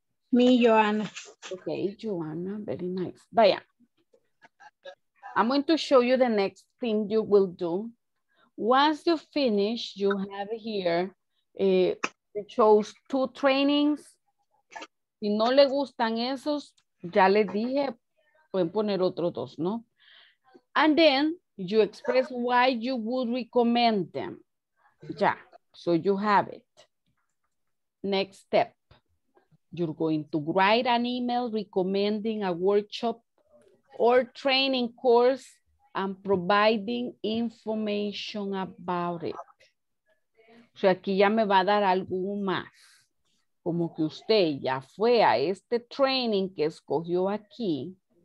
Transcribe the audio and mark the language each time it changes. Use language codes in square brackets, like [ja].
[en] Me, Joanna. Okay, Joanna, very nice. [es] Vaya. [en] I'm going to show you the next thing you will do. Once you finish, you have here, you chose 2 trainings. [es] Si no le gustan esos, ya le dije, pueden poner otros 2, ¿no? [en] And then you express why you would recommend them. Ya, so you have it. Next step. You're going to write an email recommending a workshop or training course and providing information about it. [es] O sea, aquí ya me va a dar algo más. Como que usted ya fue a este training que escogió aquí.